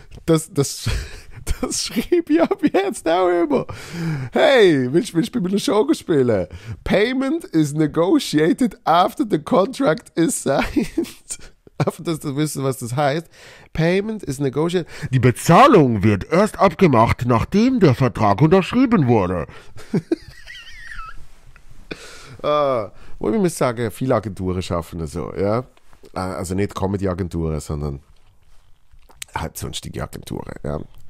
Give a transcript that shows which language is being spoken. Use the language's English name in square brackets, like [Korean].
[German] Das schreibe ich ab jetzt auch immer. Hey, willst du bei mir Show spielen? [English] Payment is negotiated after the contract is signed. [German] Einfach, dass du wissen, was das heißt. [English] Payment is negotiated. [German] Die Bezahlung wird erst abgemacht, nachdem der Vertrag unterschrieben wurde. Wo ich mir sagen, viele Agenturen schaffen das so, ja? Also nicht Comedy-Agenturen, sondern halt sonstige Agenturen. Ja.